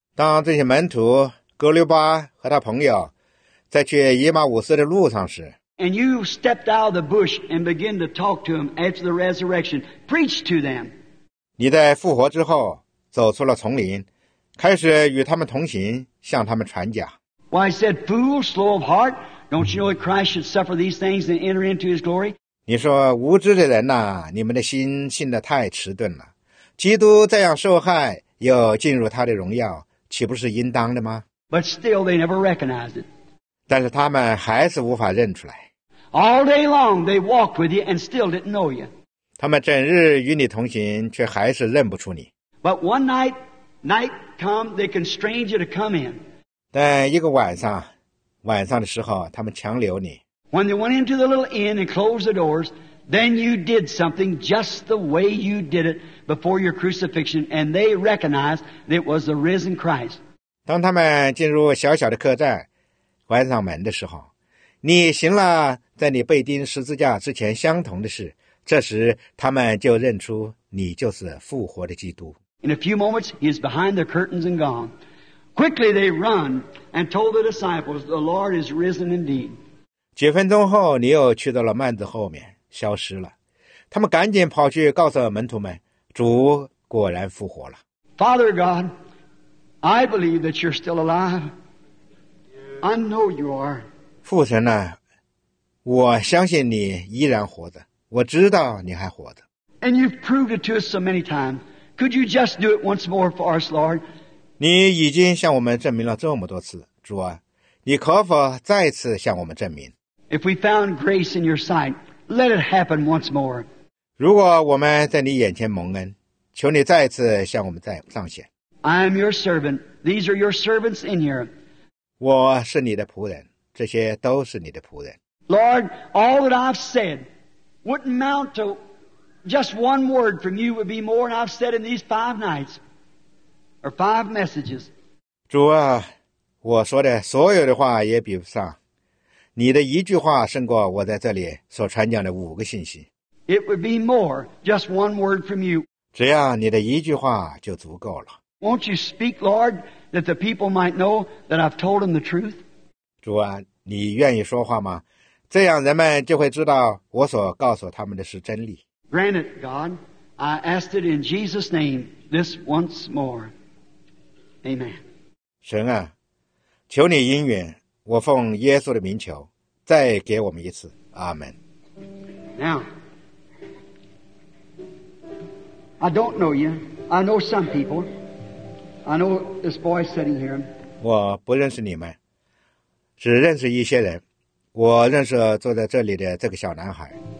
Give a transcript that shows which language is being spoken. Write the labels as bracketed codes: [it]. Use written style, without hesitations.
[zh] 当这些门徒哥留巴和他朋友在去以马忤斯的路上时。 [en] And you stepped out of the bush and began to talk to them after the resurrection. Preach to them. [zh] 你在复活之后走出了丛林，开始与他们同行，向他们传讲。 [en] Why, I said, fool, slow of heart, don't you know that Christ should suffer these things and enter into his glory? [zh] 你说无知的人呐、啊，你们的心信得太迟钝了。基督这样受害，又进入他的荣耀，岂不是应当的吗？ [en] But still, they never recognized it. [zh] 但是他们还是无法认出来。 [en] All day long they walked with you and still didn't know you. [zh] 他们整日与你同行，却还是认不出你。 [en] But one night, night come, they constrained you to come in. [zh] 但一个晚上的时候，他们强留你。 [en] When they went into the little inn and closed the doors, then you did something just the way you did it before your crucifixion, and they recognized that it was the risen Christ. [zh] 当他们进入小小的客栈。关上门的时候，你行了在你被钉十字架之前相同的事，这时他们就认出你就是复活的基督。 [en] In a few moments, he is behind the curtains and gone. Quickly they run and told the disciples, "The Lord is risen indeed." [zh] 几分钟后，你又去到了幔子后面，消失了。他们赶紧跑去告诉门徒们，主果然复活了。 [en] Father God, I believe that you're still alive.I know you are. [zh] 父神呢、啊、我相信你依然活着，我知道你还活着。 [en] And you've proved it to us so many times. Could you just do it once more for us, Lord? [zh] 你已经向我们证明了这么多次，主啊，你可否再次向我们证明？ [en] If we found grace in your sight, let it happen once more. [zh] 如果我们在你眼前蒙恩，求你再次向我们再彰显。 [en] I am your servant. These are your servants in here. [zh] 我是你的仆人，这些都是你的仆人。 [en] Lord, all that I've said wouldn't amount to just one word from you would be more than I've said in these five nights or five messages. [zh] 主啊，我说的所有的话也比不上，你的一句话胜过我在这里所传讲的五个信息。 [en] It would be more, just one word from you. [zh] 只要你的一句话就足够了。 [en] Won't you speak, Lord, that the people might know that I've told them the truth? [zh] 主啊，你愿意说话吗？这样人们就会知道我所告诉他们的是真理。 [en] Grant it, God. I asked it in Jesus' name this once more. Amen. [zh] 神啊，求你应允，我奉耶稣的名求，再给我们一次。阿门。 [en] Now, I don't know you. I know some people. I know this boy sitting here. [zh] 我不认识你们，只认识一些人。我认识坐在这里的这个小男孩。